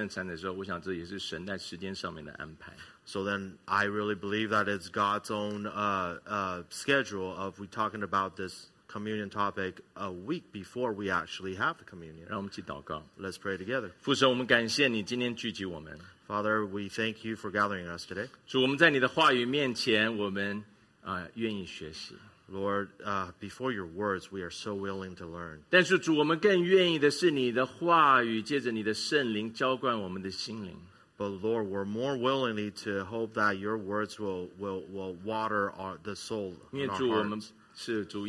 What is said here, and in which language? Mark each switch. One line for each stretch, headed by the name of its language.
Chinese: 我想今天让我们有个机会对圣餐有个更正式的了解，预备我们的心。下周一起领圣餐的时候，我想这也是神在时间上面的安排。
English: So then, I really believe that it's God's own schedule of we talking about this communion topic a week before we actually have the communion.
Chinese: 让我们一起祷告。
English: Let's pray together.
Chinese: 父神，我们感谢你今天聚集我们。
English: Father, we thank you for gathering us today.
Chinese: 主，我们在你的话语面前，我们愿意学习。
English: Lord, before your words, we are so willing to learn.
Chinese: 但是主，我们更愿意的是你的话语，借着你的圣灵浇灌我们的心灵。
English: But Lord, we're more willingly to hope that your words will water the soul in our hearts.